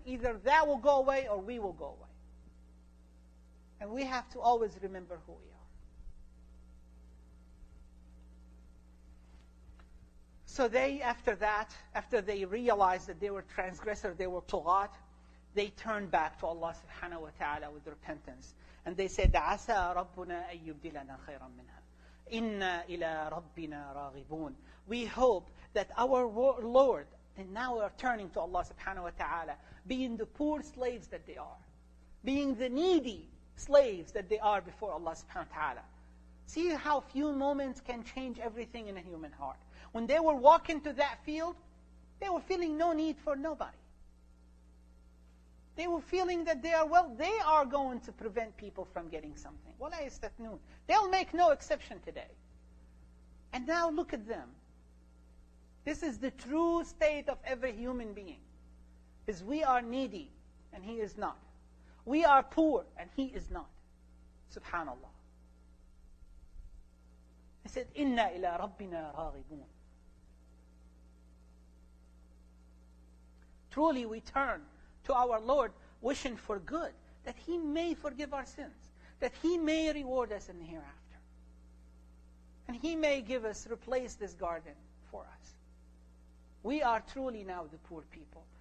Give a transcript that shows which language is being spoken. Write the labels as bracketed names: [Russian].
[English] Either that will go away or we will go away. And we have to always remember who we are. So they, after that, after they realized that they were transgressors, they were tughat, they turned back to Allah subhanahu wa ta'ala with repentance. And they said, [Arabic] عَسَى رَبُّنَا أَن يُبْدِلَنَا خَيْرًا مِّنْهَا إِنَّا إِلَىٰ رَبِّنَا رَاغِبُونَ. [English] We hope that our Lord, and now we are turning to Allah subhanahu wa ta'ala, being the poor slaves that they are, being the needy slaves that they are before Allah subhanahu wa ta'ala. See how few moments can change everything in a human heart. When they were walking to that field, they were feeling no need for nobody. They were feeling that they are, well, they are going to prevent people from getting something. [Arabic] وَلَا يَسْتَثْنُونَ. [English] They'll make no exception today. And now look at them. This is the true state of every human being. Is we are needy, and he is not. We are poor, and he is not. SubhanAllah. He said, [Arabic] إِنَّا إِلَىٰ رَبِّنَا رَاغِبُونَ. [English] Truly we turn to our Lord wishing for good, that He may forgive our sins, that He may reward us in the hereafter. And He may give us, replace this garden for us. We are truly now the poor people.